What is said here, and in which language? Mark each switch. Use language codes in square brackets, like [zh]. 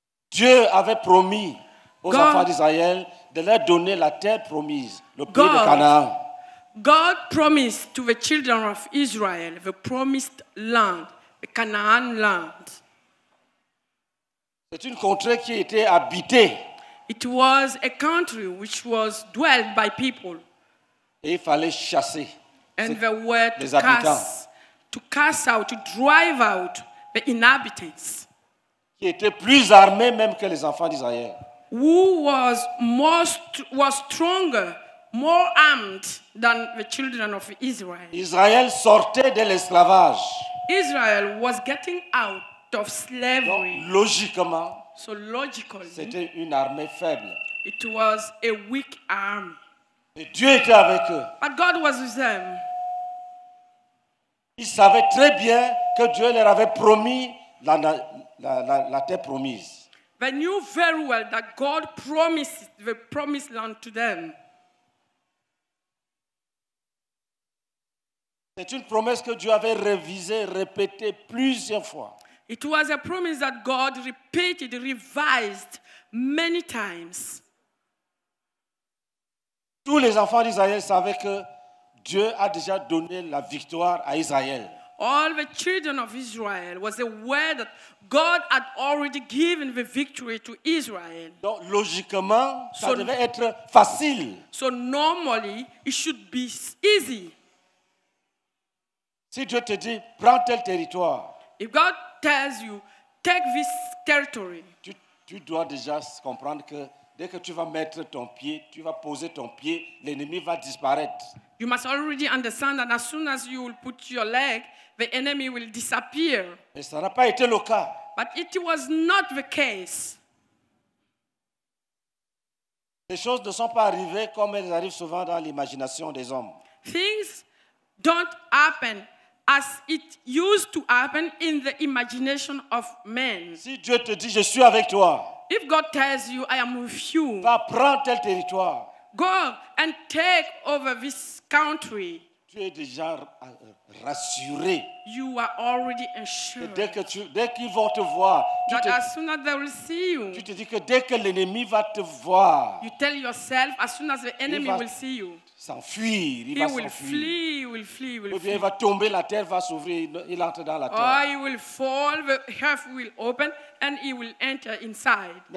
[fr] Dieu avait promis aux enfants d'Israël de leur donner la terre promise, le pays de Canaan. [en] God promised to the children of Israel the promised land, the Canaan land. [fr] C'est une contrée qui était habitée. [en] It was a country which was dwelt by people. [fr] Et il fallait chasser [en] and they were to [fr] les habitants. [en] To cast out, to drive out the inhabitants. [fr] Qui étaient plus armés même que les enfants d'Israël. [en] Who was stronger, more armed than the children of Israel. [fr] Israël sortait de l'esclavage. [en] Israel was getting out of slavery. [fr] Donc, logiquement, [en] so logically, [fr] c'était une armée faible. [en] It was a weak army. [fr] Et Dieu était avec eux. [en] But God was with them. [fr] Ils savaient très bien que Dieu leur avait promis la terre promise. [en] They knew very well that God promised the promised land to them. [fr] C'est une promesse que Dieu avait révisée, répétée plusieurs fois. [en] It was a promise that God repeated, revised many times. [fr] Tous les enfants d'Israël savaient que Dieu a déjà donné la victoire à Israël. [en] All the children of Israel was aware that God had already given the victory to Israel. [fr] Donc logiquement, ça devait être facile. [en] So normally, it should be easy. [fr] Si Dieu te dit, prends tel territoire. [en] If God tells you, take this territory. [fr] Tu dois déjà comprendre que dès que tu vas mettre ton pied, tu vas poser ton pied, l'ennemi va disparaître. [en] You must already understand that as soon as you will put your leg, the enemy will disappear. [fr] Mais ça n'a pas été le cas. [en] But it was not the case. [fr] Les choses ne sont pas arrivées comme elles arrivent souvent dans l'imagination des hommes. [en] Things don't happen as it used to happen in the imagination of men. [fr] Si Dieu te dit, je suis avec toi. [en] If God tells you, I am with you. [fr] Va prendre tel territoire. [en] Go and take over this country. [fr] Tu es déjà rassuré. [en] You are already assured. [fr] Dès qu'ils vont te voir. [en] That as soon as they will see you. [fr] Tu te dis que dès que l'ennemi va te voir. [en] You tell yourself, as soon as the enemy will see you. [fr] S'enfuir, il va s'enfuir. [en] He will flee. [fr] Ou bien il va tomber, la terre va s'ouvrir, il entre dans la terre. [en] Or he will fall, the earth will open, and he will enter inside.